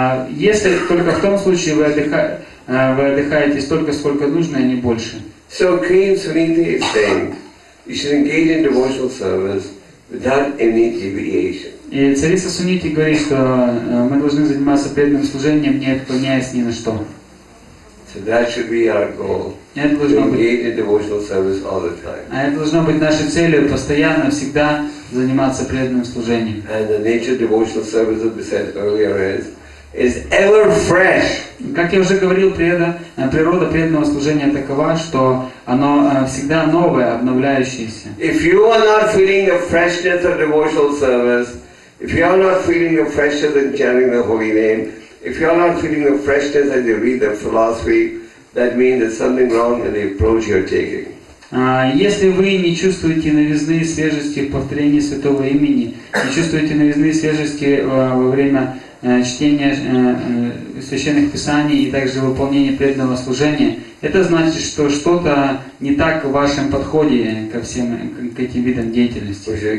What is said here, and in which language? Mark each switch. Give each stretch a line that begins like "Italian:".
Russian: Если только в том случае вы отдыхаете столько, сколько нужно, а не больше.
English: So Queen Suniti is saying, you should engage in devotional service without any deviation.
Russian: И царица Суниты говорит, что мы должны заниматься преданным служением, не отклоняясь ни на что.
English: So that should be our goal. To engage in devotional service all the time.
Russian: А это должно быть нашей целью постоянно, всегда заниматься преданным служением.
English: And the nature of devotional service, as we said earlier, is ever fresh.
Russian: Как я уже говорил, природа преданного служения такова, что оно всегда новое, обновляющееся.
English: If you are not feeling the freshness of devotional service, if you are not feeling the freshness in chanting the holy name, if you are not feeling the freshness as you read the philosophy, that means there's something wrong in the approach you're taking.
Russian: Если вы не чувствуете новизны и свежести в повторении святого имени, не чувствуете новизны и свежести во время чтения священных писаний и также выполнения преданного служения, это значит, что что-то не так в вашем подходе ко всем к этим видам деятельности.